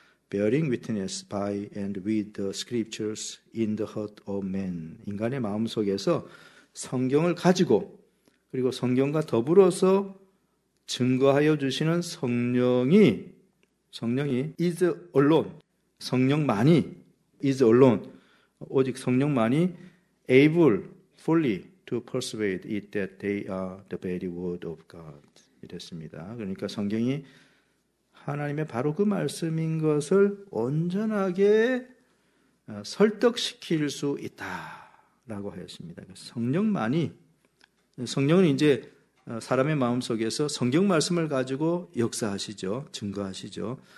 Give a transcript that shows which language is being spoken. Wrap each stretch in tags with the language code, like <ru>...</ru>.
<en>Bearing witness by and with the scriptures in the heart of man.</en> <ko>인간의 마음 속에서 성경을 가지고 그리고 성경과 더불어서 증거하여 주시는 성령이</ko> <en>is alone.</en> <ko>성령만이</ko> <en>is alone.</en> <ko>오직 성령만이</ko> <en>able fully to persuade it that they are the very word of God.</en> <ko>이랬습니다. 그러니까 성경이 하나님의 바로 그 말씀인 것을 온전하게 설득시킬 수 있다라고 하였습니다. 성령만이, 성령은 이제 사람의 마음 속에서 성경 말씀을 가지고 역사하시죠. 증거하시죠.</ko>